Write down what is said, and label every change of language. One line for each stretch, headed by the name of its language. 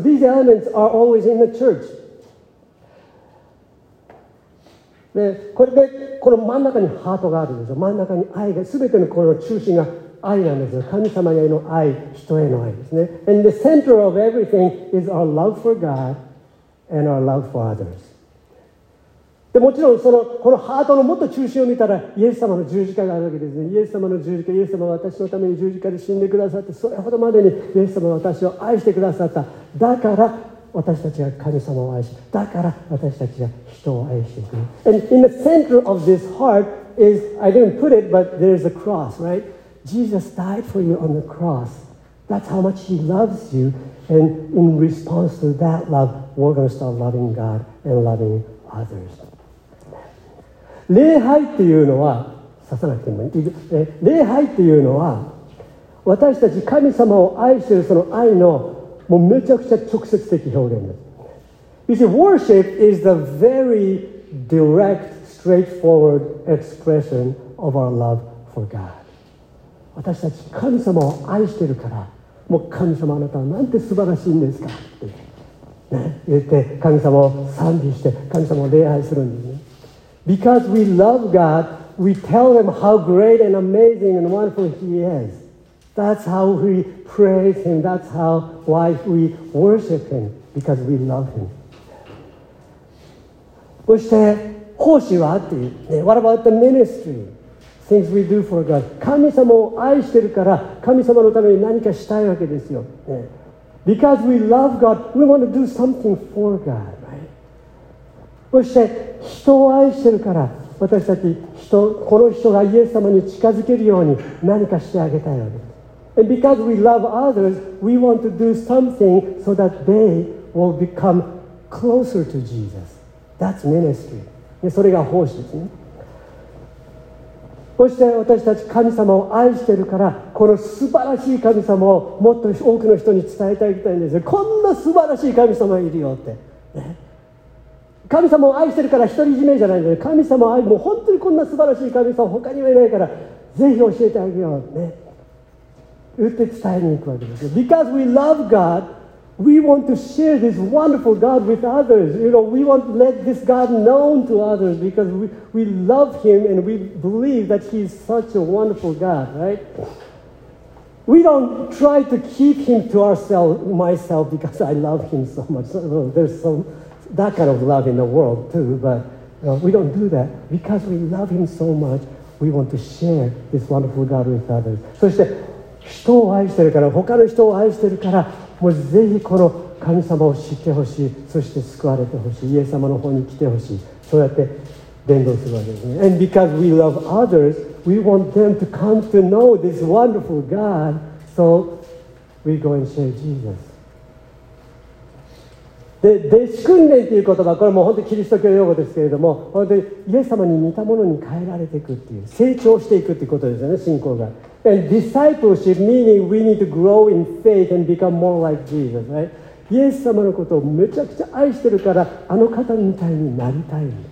English: So these elements are always in the church.
Japanese: で、これでこの真ん中にハートがあるんですよ。真ん中に愛が、全てのこの中心が愛なんですよ。神様への愛、人への愛ですね。
English: And the center of everything is our love for God and our love for others.
Japanese: でもちろんそのこのハートのもっと中心を見たら、イエス様の十字架があるわけですね。イエス様の十字架、イエス様は私のために十字架で死んでくださって、それほどまでにイエス様は私を愛してくださった。だから私たちが神様を愛し、だから私たちが人を愛していく。
English: And in the center of this heart is, I didn't put it, but there's a cross, right? Jesus died for you on the cross. That's how much he loves you. And in response to that love, we're going to start loving God and loving others.
Japanese: 礼拝っていうのは、ささなくてもいい。礼拝っていうのは、私たち神様を愛しているその愛のもうめちゃくちゃ直接的表現です。
English: You see, worship is the very direct, straightforward expression of our love for God.
Japanese: 私たち神様を愛してるから、もう神様あなたはなんて素晴らしいんですかって、ね、言って神様を賛美して神様を礼拝するんですね。
English: Because we love God, we tell him how great and amazing and wonderful he is. That's how we praise him. That's how why we worship him. Because we love him.
Japanese: そして奉仕はっていう、
English: ね、What about the ministry? Things we do for God.
Japanese: 神様を愛してるから神様のために何かしたいわけですよ、ね、
English: Because we love God, we want to do something for God、right?
Japanese: そして人を愛してるから私たち人この人がイエス様に近づけるように何かしてあげたいわけです。
English: And because we love others, we want to do something so that they will become closer to Jesus. That's ministry.
Japanese: それが奉仕ですね。そして私たち神様を愛してるから、この素晴らしい神様をもっと多くの人に伝えていきたいんですよ。こんな素晴らしい神様いるよって、ね、神様を愛してるから独り占めじゃないんですよ。神様を愛、もう本当にこんな素晴らしい神様他にはいないから、ぜひ教えてあげようね、打って伝えに行くわけですよ。
English: Because we love God, we want to share this wonderful God with others. You know, we want to let this God known to others because we love Him and we believe that He is such a wonderful God, right? We don't try to keep Him to ourselves, myself, because I love Him so much. There's some, that kind of love in the world too, but you know, we don't do that because we love Him so much. We want to share this wonderful God with others.
Japanese: そして人を愛してるから、他の人を愛してるから、もうぜひこの神様を知ってほしい、そして救われてほしい、イエス様の方に来てほしい、そうやって伝道するわけですね。
English: And because we love others, we want them to come to know this wonderful God, so we go and share Jesus.
Japanese: で、弟子訓練という言葉、これも本当にキリスト教用語ですけれども、本当にイエス様に似たものに変えられていくっていう、成長していくっていうことですよね、信仰が。
English: And discipleship, meaning we need to grow in faith and become more like Jesus, right?
Japanese: イエス様のことをめちゃくちゃ愛してるから、あの方みたいになりたい。